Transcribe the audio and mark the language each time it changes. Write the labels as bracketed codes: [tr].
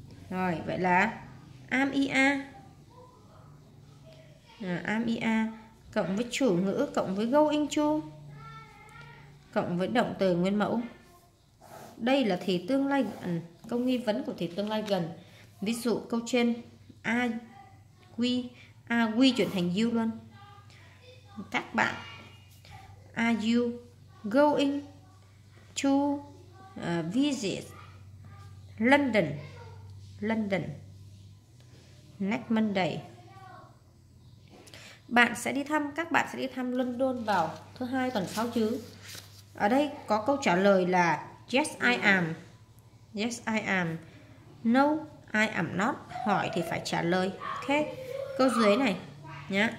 [vi] Rồi, vậy là am ia, am ia cộng với chủ ngữ, cộng với going to, cộng với động từ nguyên mẫu. Đây là thì tương lai gần, câu nghi vấn của thì tương lai gần. Ví dụ câu trên [en] are we [vi] chuyển thành you luôn. [en] Các bạn, are you going to visit London next Monday? [vi] Bạn sẽ đi thăm, các bạn sẽ đi thăm London vào thứ hai tuần sau chứ? Ở đây có câu trả lời là [en] yes I am, yes I am, no I am not. [vi] Hỏi thì phải trả lời. Ok, câu dưới này nhá.